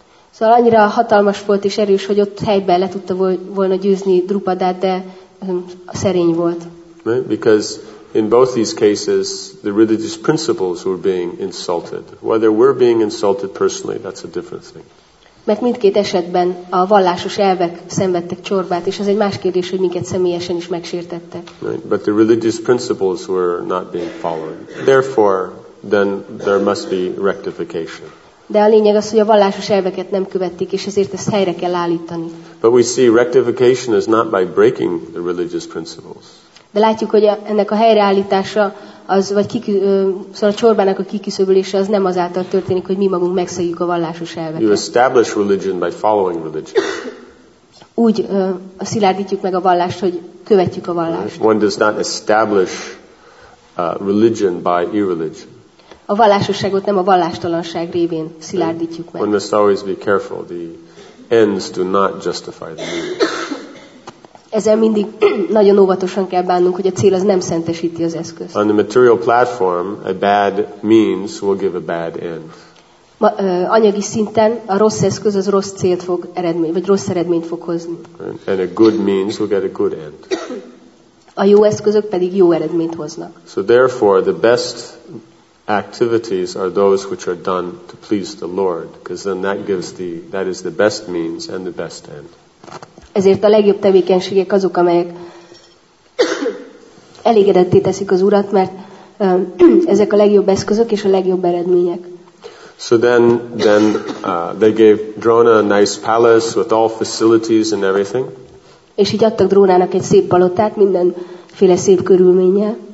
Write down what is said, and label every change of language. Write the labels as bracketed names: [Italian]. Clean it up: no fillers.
[Hungarian] Szóval annyira hatalmas volt és erős, hogy ott helyben le tudta volna győzni Drupadát, de szerény volt. [English] Right? Because in both these cases, the religious principles were being insulted. Whether we're being insulted personally, that's a different thing. [Hungarian] Mert mindkét esetben a vallásos elvek szenvedtek csorbát, és az egy más kérdés, hogy minket személyesen is megsértettek. [English] Right? But the religious principles were not being followed. Therefore, then there must be rectification. [Hungarian] De a lényeg az, hogy a vallásos elveket nem követték, és ezért ezt helyre kell állítani. [English] But we see rectification is not by breaking the religious principles. [Hungarian] De látjuk, hogy ennek a helyreállítása, az, vagy szóval a csorbának a kiküszöbölése az nem azáltal történik, hogy mi magunk megszegjük a vallásos elveket. [English] You establish religion by following religion. [Hungarian] Úgy szilárdítjuk meg a vallást, hogy követjük a vallást. [English] One does not establish religion by irreligion. [Hungarian] A vallásosságot nem a vallástalanság révén szilárdítjuk meg. [English] One must always be careful. The ends do not justify the means. [Hungarian] Ezzel mindig nagyon óvatosan kell bánnunk, hogy a cél az nem szentesíti az eszközt. [English] On the material platform, a bad means will give a bad end. [Hungarian] Anyagi szinten a rossz eszköz az rossz célt fog eredményt, vagy rossz eredményt fog hozni. [English] And a good means will get a good end. [Hungarian] A jó eszközök pedig jó eredményt hoznak. [English] So therefore, the best activities are those which are done to please the Lord, because then that is the best means and the best end. [Hungarian] Ezért a legjobb tevékenységek azok, amelyek elégedetté teszik az Urat, mert ezek a legjobb eszközök és a legjobb eredmények. [English] So then they gave Drona a nice palace with all facilities and everything. [Hungarian] És így adtak Drónának egy szép palotát, mindenféle szép körülménnyel.